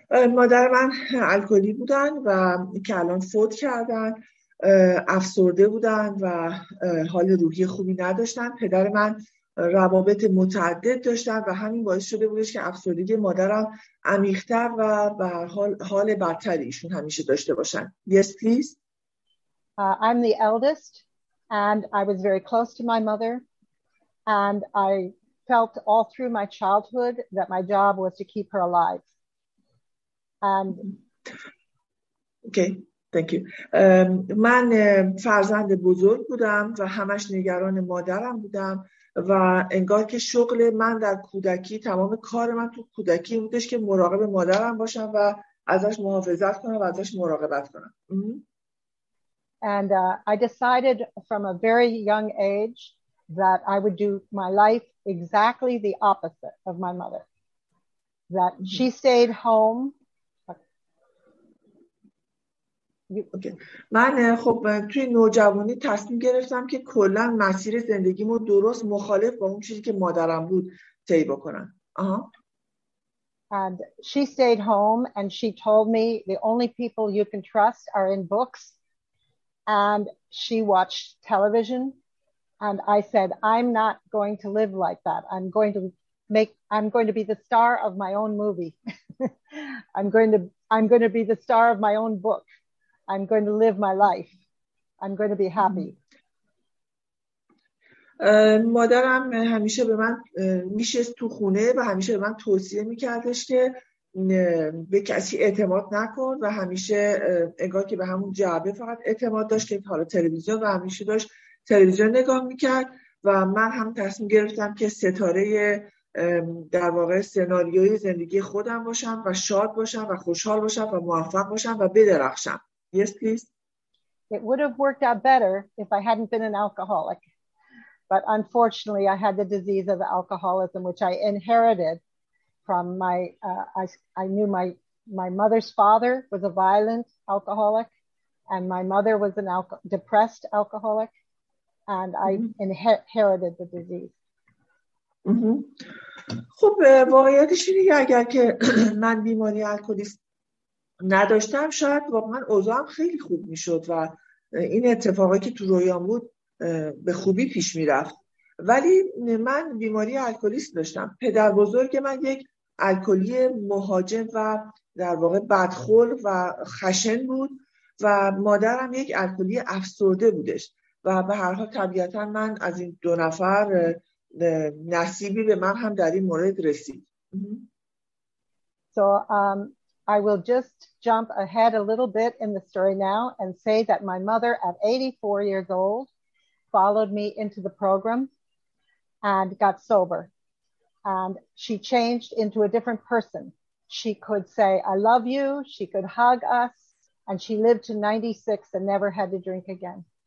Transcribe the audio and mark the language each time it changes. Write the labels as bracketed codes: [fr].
[fa] مادر من الکلی بودن و که الان فوت کردن، افسرده بودن و حال روحی خوبی نداشتن. پدر من روابط متعدد داشتن و همین باعث شده بودش که افسردگی مادرم عمیق‌تر و به هر حال بدتری ایشون همیشه داشته باشن. [en] Yes, please. I'm the eldest and I was very close to my mother and I felt all through my childhood that my job was to keep her alive. Okay, thank you. [fa] من فرزند بزرگ بودم و همش نگران مادرم بودم و انگار که شغل من در کودکی، تمام کار من تو کودکی بودش که مراقب مادرم باشم و ازش محافظت کنم و ازش مراقبت کنم. [en] And I decided from a very young age that I would do my life exactly the opposite of my mother. That she stayed home. [fa] من خب توی نوجوانی تصمیم گرفتم که کلن مسیر زندگیمو درست مخالف با اون چیزی که مادرم بود طی بکنم. [en] And she stayed home and she told me the only people you can trust are in books. And she watched television. And I said, I'm not going to live like that. I'm going to be the star of my own movie. I'm going to be the star of my own book. I'm going to live my life. I'm going to be happy. [fa] مادرم همیشه به من میشست تو خونه و همیشه به من توصیه میکردش که به کسی اعتماد نکن و همیشه انگار که به همون جعبه فقط اعتماد داشت که حالا تلویزیون و همیشه داشت تلویزیون نگاه میکرد و من هم تصمیم گرفتم که ستاره در واقع سناریوی زندگی خودم باشم و شاد باشم و خوشحال باشم و موفق باشم و بدرخشم. [en] Yes, please. It would have worked out better if I hadn't been an alcoholic. But unfortunately, I had the disease of alcoholism, which I inherited from my, I knew my My mother's father was a violent alcoholic, and my mother was an depressed alcoholic, and I inherited the disease. [fa] خب واقعیتش اینه که اگر که من بیماری الکلیست نداشتم شاید واقعا اوضاعم خیلی خوب میشد و این اتفاقی که تو رویام بود به خوبی پیش میرفت، ولی من بیماری الکلیست داشتم. پدر بزرگ من یک الکلی مهاجم و در واقع بدخل و خشن بود و مادرم یک الکلی افسرده بودش و به هر حال طبیعتا من از این دو نفر نصیبی به من هم در این مورد رسید. [en] So I will just jump ahead a little bit in the story now and say that my mother at 84 years old followed me into the program and got sober. And she changed into a different person. She could say I love you, she could hug us, and she lived to 96 and never had to drink again.